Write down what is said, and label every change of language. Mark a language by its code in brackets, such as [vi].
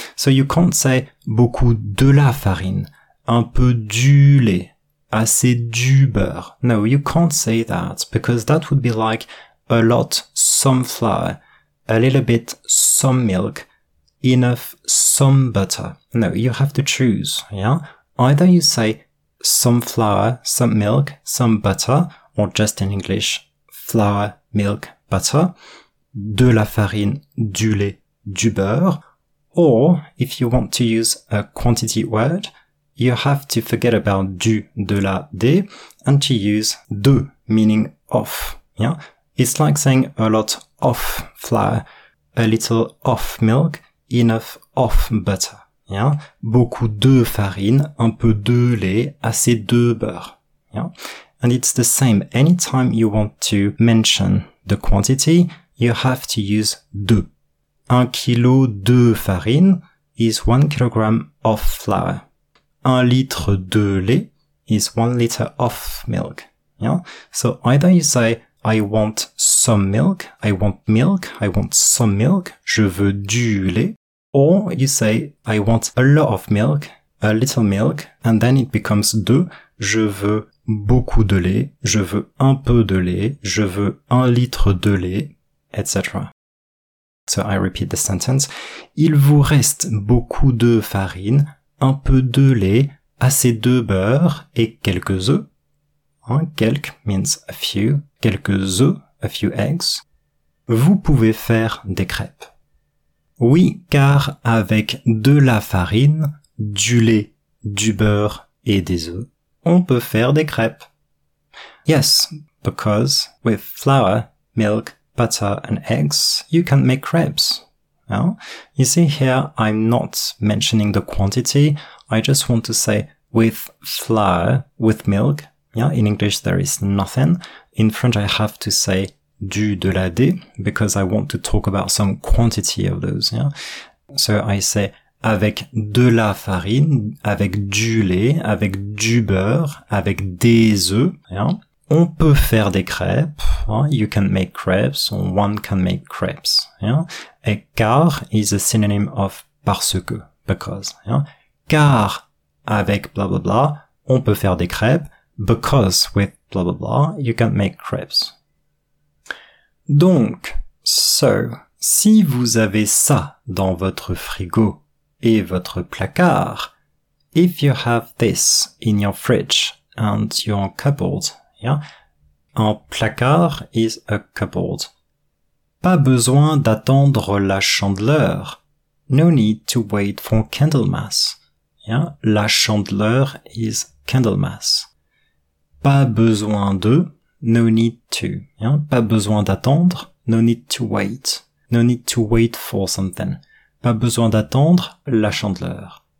[en] So you can't say [fr] beaucoup de la farine, un peu du lait, assez du beurre. [en] No, you can't say that because that would be like a lot some flour, a little bit some milk, enough some butter. No, you have to choose. Yeah, either you say some flour, some milk, some butter, or just in English, flour, milk, butter, [fr] de la farine, du lait, du beurre. [en] Or if you want to use a quantity word, you have to forget about du, de la, des, and to use de, meaning of. Yeah, it's like saying a lot of flour, a little of milk, enough of butter. [fr] Yeah, beaucoup de farine, un peu de lait, assez de beurre. [en] Yeah, and it's the same. Anytime you want to mention the quantity, you have to use de. [fr] Un kilo de farine [en] is 1 kilogram of flour. [fr] Un litre de lait [en] is 1 liter of milk. Yeah, so either you say I want some milk, I want milk, I want some milk, [fr] je veux du lait. [en] Or you say, I want a lot of milk, a little milk, and then it becomes de, [fr] je veux beaucoup de lait, [en] je veux un peu de lait, je veux un litre de lait, etc. So I repeat the sentence. [fr] Il vous reste beaucoup de farine, un peu de lait, assez de beurre et quelques œufs. [en] Hein, quelques means a few, [fr] quelques œufs, [en] a few eggs. [fr] Vous pouvez faire des crêpes. Oui, car avec de la farine, du lait, du beurre et des œufs, on peut faire des crêpes. [en] Yes, because with flour, milk, butter and eggs, you can make crêpes. Now, you see here, I'm not mentioning the quantity. I just want to say with flour, with milk. Yeah, in English there is nothing. In French I have to say du, de la, des, because I want to talk about some quantity of those. Yeah, so I say [fr] avec de la farine, avec du lait, avec du beurre, avec des œufs. Yeah, on peut faire des crêpes. [en] Huh? You can make crêpes. One can make crêpes. Yeah, et car is a synonym of parce que, because. [fr] Yeah, car avec blah blah blah, on peut faire des crêpes. [en] Because with blah blah blah, you can make crêpes. Donc, so, [fr] si vous avez ça dans votre frigo et votre placard, [en] if you have this in your fridge and your cupboard, yeah, un placard is a cupboard. [fr] Pas besoin d'attendre la chandeleur. [en] No need to wait for Candlemas. Yeah, la chandeleur is Candlemas. [fr] Pas besoin de. [en] No need to. Yeah? [fr] Pas besoin d'attendre. [en] No need to wait. No need to wait for something. [fr] Pas besoin d'attendre la chandeleur.